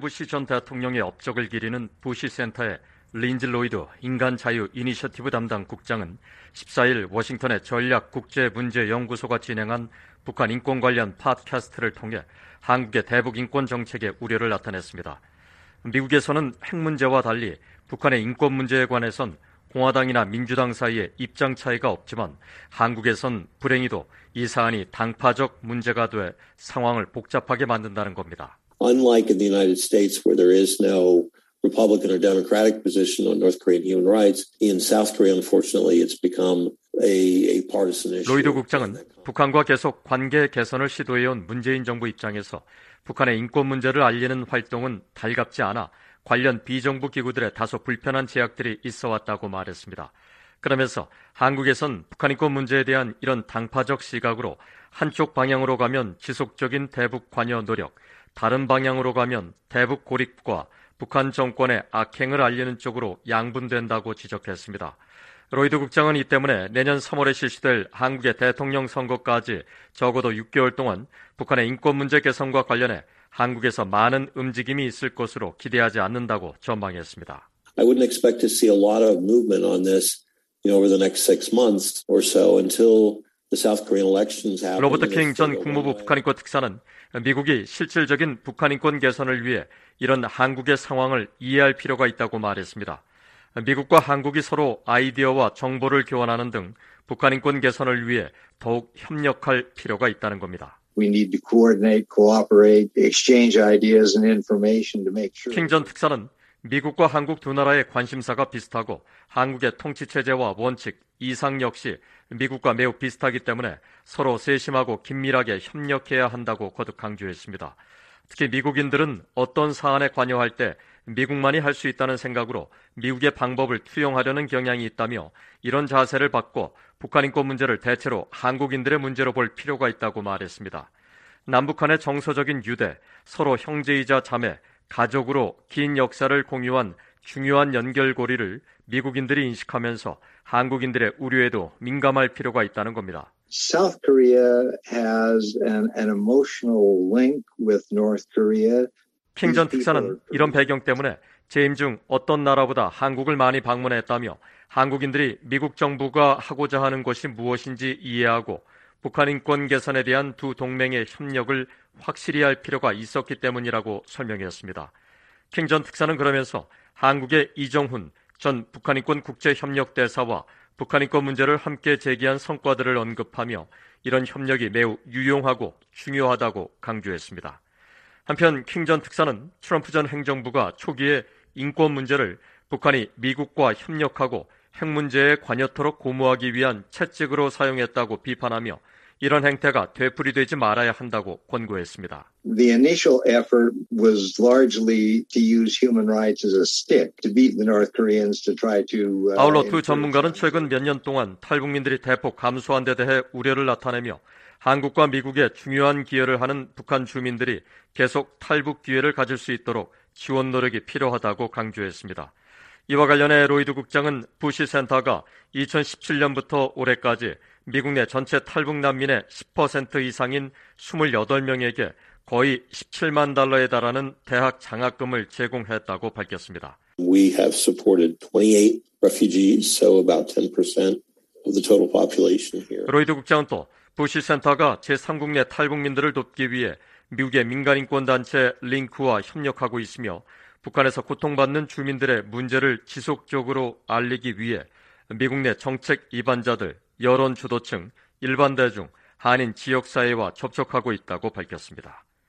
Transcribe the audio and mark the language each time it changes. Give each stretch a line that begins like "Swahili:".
Korean: 부시 전 대통령의 업적을 기리는 부시 센터의 린즈 로이드 인간자유 이니셔티브 담당 국장은 14일 워싱턴의 전략국제문제연구소가 진행한 북한 인권 관련 팟캐스트를 통해 한국의 대북 인권 정책에 우려를 나타냈습니다. 미국에서는 핵 문제와 달리 북한의 인권 문제에 관해선 공화당이나 민주당 사이에 입장 차이가 없지만 한국에선 불행히도 이 사안이 당파적 문제가 돼 상황을 복잡하게 만든다는 겁니다.
English: Unlike in the United States where there is no Republican or Democratic position on North Korean human rights, in South Korea unfortunately it's become a partisan issue.
Korean: 로이드 국장은 북한과 계속 관계 개선을 시도해 온 문재인 정부 입장에서 북한의 인권 문제를 알리는 활동은 달갑지 않아 관련 비정부 기구들의 다소 불편한 제약들이 있어 왔다고 말했습니다. 그러면서 한국에선 북한 인권 문제에 대한 이런 당파적 시각으로 한쪽 방향으로 가면 지속적인 대북 관여 노력, 다른 방향으로 가면 대북 고립과 북한 정권의 악행을 알리는 쪽으로 양분된다고 지적했습니다. 로이드 국장은 이 때문에 내년 3월에 실시될 한국의 대통령 선거까지 적어도 6개월 동안 북한의 인권 문제 개선과 관련해 한국에서 많은 움직임이 있을 것으로 기대하지 않는다고 전망했습니다.
English: I wouldn't expect to see a lot of movement on this, you know, over the next six months or so until the South Korean elections happen.
Korean: 로버트 킹 전 국무부 북한인권 특사는 미국이 실질적인 북한인권 개선을 위해 이런 한국의 상황을 이해할 필요가 있다고 말했습니다. 미국과 한국이 서로 아이디어와 정보를 교환하는 등 북한인권 개선을 위해 더욱 협력할 필요가 있다는 겁니다.
English: We need to coordinate, cooperate, exchange ideas and information to make sure.
Korean: 킹 전 특사는 미국과 한국 두 나라의 관심사가 비슷하고 한국의 통치 체제와 원칙, 이상 역시 미국과 매우 비슷하기 때문에 서로 세심하고 긴밀하게 협력해야 한다고 거듭 강조했습니다. 특히 미국인들은 어떤 사안에 관여할 때 미국만이 할 수 있다는 생각으로 미국의 방법을 투영하려는 경향이 있다며 이런 자세를 바꿔 북한 인권 문제를 대체로 한국인들의 문제로 볼 필요가 있다고 말했습니다. 남북한의 정서적인 유대, 서로 형제이자 자매, 가족으로 긴 역사를 공유한 중요한 연결고리를 미국인들이 인식하면서 한국인들의 우려에도 민감할 필요가 있다는 겁니다.
English: South Korea has an emotional link with North Korea.
Korean: 킹 전 특사는 이런 배경 때문에 재임 중 어떤 나라보다 한국을 많이 방문했다며 한국인들이 미국 정부가 하고자 하는 것이 무엇인지 이해하고 북한 인권 개선에 대한 두 동맹의 협력을 확실히 할 필요가 있었기 때문이라고 설명했습니다. 킹 전 특사는 그러면서 한국의 이정훈 전 북한 인권 국제협력대사와 북한 인권 문제를 함께 제기한 성과들을 언급하며 이런 협력이 매우 유용하고 중요하다고 강조했습니다. 한편 킹 전 특사는 트럼프 전 행정부가 초기에 인권 문제를 북한이 미국과 협력하고 핵 문제에 관여토록 고무하기 위한 채찍으로 사용했다고 비판하며 이런 행태가 되풀이되지 말아야 한다고 권고했습니다.
English: The initial effort was largely to use human rights as a stick to beat the North Koreans to try to
Korean: 아울러 두 전문가는 최근 몇 년 동안 탈북민들이 대폭 감소한 데 대해 우려를 나타내며 한국과 미국에 중요한 기여를 하는 북한 주민들이 계속 탈북 기회를 가질 수 있도록 지원 노력이 필요하다고 강조했습니다. 이와 관련해 로이드 국장은 부시 센터가 2017년부터 올해까지 미국 내 전체 탈북 난민의 10% 이상인 28명에게 거의 17만 달러에 달하는 대학 장학금을 제공했다고 밝혔습니다.
English: We have supported 28 refugees, so about 10% of the total population here.
Korean: 로이드 국장은 또 부시 센터가 제3국 내 탈북민들을 돕기 위해 미국의 민간인권단체 링크와 협력하고 있으며 북한에서 고통받는 주민들의 문제를 지속적으로 알리기 위해 미국 내 정책 이반자들, 여론 주도층, 일반 대중, 한인 지역사회와 접촉하고 있다고 밝혔습니다.